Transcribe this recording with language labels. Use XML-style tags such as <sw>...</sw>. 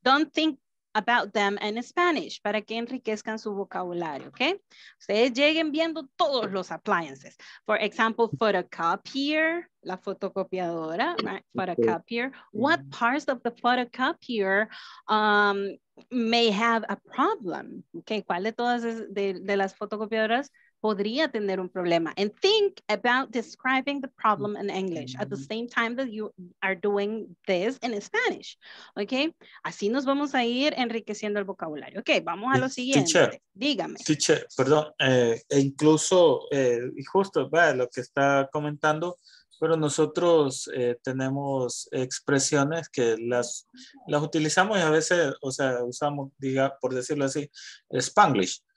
<en>Don't think about them in Spanish,</en> <es>para que enriquezcan su vocabulario,</es> <en>¿ok?</en> <es>Ustedes lleguen viendo todos los appliances.</es> <en>For example, photocopier,</en> <es>la fotocopiadora, right? Photocopier.</es> <en>What parts of the photocopier may have a problem? ¿Ok?</en> <es>¿Cuál de todas de las fotocopiadoras podría tener un problema?</es> <en>And think about describing the problem in English at the same time that you are doing this in Spanish. Okay?</en> <es>Así nos vamos a ir enriqueciendo el vocabulario. Okay, vamos a lo siguiente.</es> <en>Teacher,</en> <es>dígame. Teacher, perdón. Incluso, justo vea lo que está comentando, pero nosotros tenemos expresiones que las utilizamos y a veces, o sea, usamos, diga, por decirlo así, Spanglish.</es>